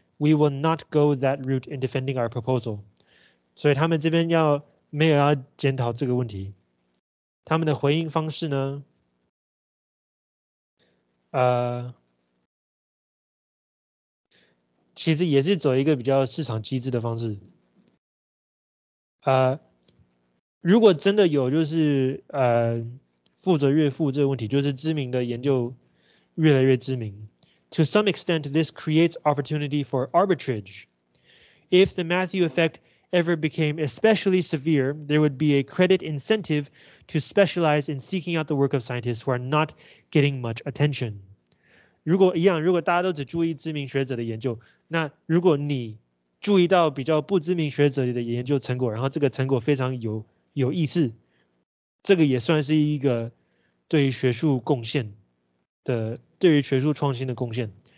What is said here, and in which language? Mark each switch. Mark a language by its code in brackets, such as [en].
[en] We will not go that route in defending our proposal。 [zh] 所以他们这边要没有要检讨这个问题。他们的回应方式呢？其实也是走一个比较市场机制的方式。如果真的有就是富者越富这个问题，就是知名的研究越来越知名。 [en] To some extent, this creates opportunity for arbitrage. If the Matthew effect ever became especially severe, there would be a credit incentive to specialize in seeking out the work of scientists who are not getting much attention. [zh] 如果一样，如果大家都只注意知名学者的研究，那如果你注意到比较不知名学者的研究成果，然后这个成果非常有意思，这个也算是一个对于学术贡献的，对于学术创新的贡献。